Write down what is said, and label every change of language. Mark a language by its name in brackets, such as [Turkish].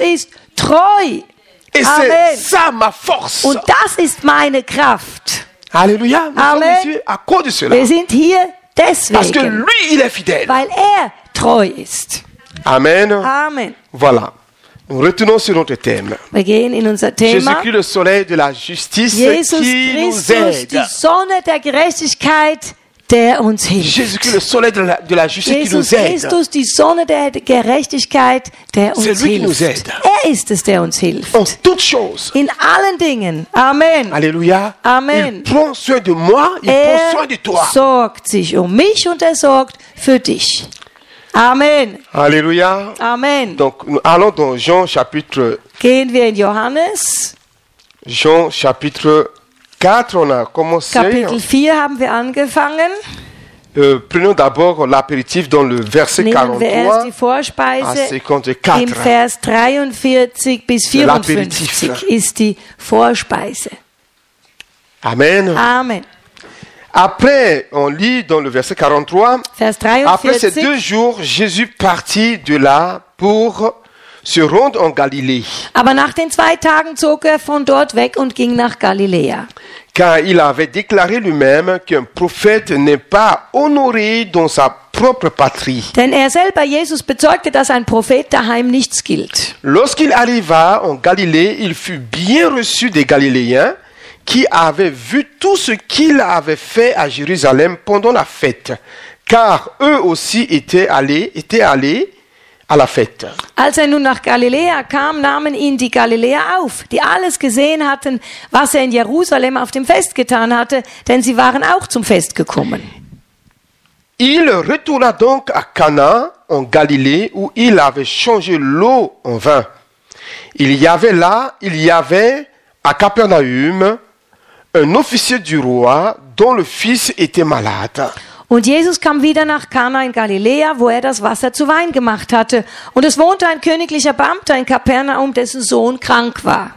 [German] ist treu. [French] Et c'est ça ma force. [German] Und das ist meine Kraft. [French] Alléluia. Amen. Nous sommes ici à cause de cela. [German] Wir sind hier deswegen, [French] parce que lui, il est fidèle. [German] Weil er treu ist. Amen. Amen. [French] Voilà. Nous retournons sur notre thème. [German] Wir gehen in unser Thema. [French] Jésus-Christ, le soleil de la justice, [German] Jesus [French] qui [German] Christus, [French] nous aide. [German] Die Sonne der Gerechtigkeit, der uns hilft. [French] Jésus-Christ, le soleil de la justice, [German] Jesus [French] qui nous aide. [German] Christus, die Sonne der Gerechtigkeit, der uns [French] C'est lui [German] hilft. [French] Qui nous aide. [German] Er ist es, der uns hilft. [French] En toutes choses. [German] In allen Dingen. Amen. [French] Alléluia. Amen. Il prend soin de moi, [German] er [French] prend soin de toi. [German] Er sorgt sich um mich und er sorgt für dich. Amen. Alléluia. Amen. [French] Donc nous allons dans Jean chapitre. [German] Gehen wir in Johannes. [French] Jean chapitre 4, on a commencé. [German] Kapitel 4 haben wir angefangen. [French] Prenons d'abord l'apéritif dans le verset 43. [German] Nehmen wir die Vorspeise. [French] À 54. [German] Im Vers 43 bis 54 ist die Vorspeise. Amen. Amen. [French] Après, on lit dans le verset 43, [German] Vers 43, [French] après ces deux jours, Jésus partit de là pour se rendre en Galilée. [German] Aber nach den zwei Tagen zog er von dort weg und ging nach Galiläa. [French] Car il avait déclaré lui-même qu'un prophète n'est pas honoré dans sa propre patrie. [German] Denn er selber, Jesus, bezeugte, dass ein Prophet daheim nichts gilt. [French] Lorsqu'il arriva en Galilée, il fut bien reçu des Galiléens, qui avaient vu tout ce qu'il avait fait à Jérusalem pendant la fête, car eux aussi étaient allés à la fête. [German] Als er nun nach Galiläa kam, nahmen ihn die Galiläer auf, die alles gesehen hatten, was er in Jerusalem auf dem Fest getan hatte, denn sie waren auch zum Fest gekommen. [French] Il retourna donc à Cana en Galilée, où il avait changé l'eau en vin. Il y avait à Capernaüm un officier du roi dont le fils était malade. [German] Und Jesus kam wieder nach Kana in Galiläa, wo er das Wasser zu Wein gemacht hatte. Und es wohnte ein königlicher Beamter in Kapernaum, dessen Sohn krank war.